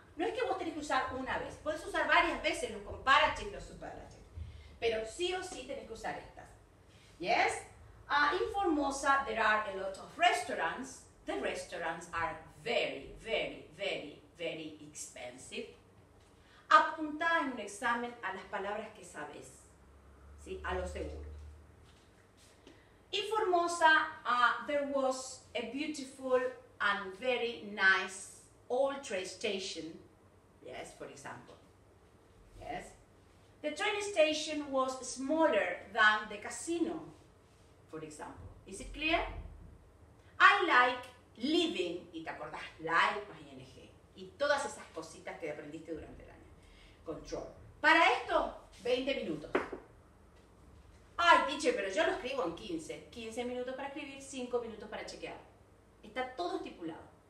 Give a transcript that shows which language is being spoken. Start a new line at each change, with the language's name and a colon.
Spanish: No es que vos tenés que usar una vez, puedes usar varias veces los comparatives, los superlatives. Pero sí o sí tenés que usar estas.
English: Yes? In Formosa there are a lot of restaurants. The restaurants are very, very, very, very expensive.
Spanish: Apunta en un examen a las palabras que sabes, ¿sí? A lo seguro.
English: In Formosa, there was a beautiful and very nice old train station. Yes, for example. Yes. The train station was smaller than the casino, for example. Is it clear? I like living,
Spanish: y te acordás, like más ing, y todas esas cositas que aprendiste durante el año. Control. Para esto, 20 minutos. Ay, teacher, pero yo lo escribo en 15. 15 minutos para escribir, 5 minutos para chequear. Está todo estipulado.